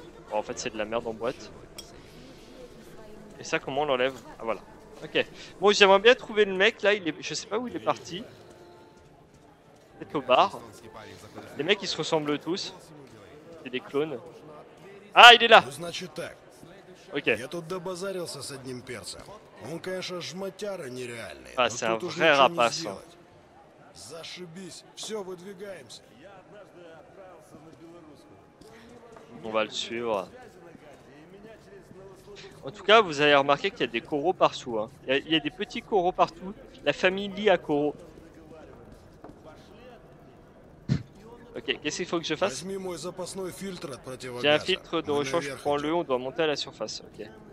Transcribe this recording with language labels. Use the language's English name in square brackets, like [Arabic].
[French] Bon, en fait, c'est de la merde en boîte. Et ça, comment on l'enlève? Ah, voilà. Ok. Bon, j'aimerais bien trouver le mec, là. Il est... Je sais pas où il est parti. Peut-être au bar. Les mecs, ils se ressemblent tous. C'est des clones. Ah, il est là. Ok. [Russian] Я тут добазарился с одним перцем. Он, конечно, жматяра нереальный. [French] Ah, c'est un vrai rapace. [Russian] Зашибись. Все, выдвигаемся. Я однажды отправился на белорусскую. [French] On va le suivre. En tout cas, vous avez remarqué qu'il y a des coraux partout. Hein. Il y a des petits coraux partout. La famille lit à coraux. Ok, qu'est-ce qu'il faut que je fasse? J'ai un filtre de rechange, prends-le, on doit monter à la surface. Ok.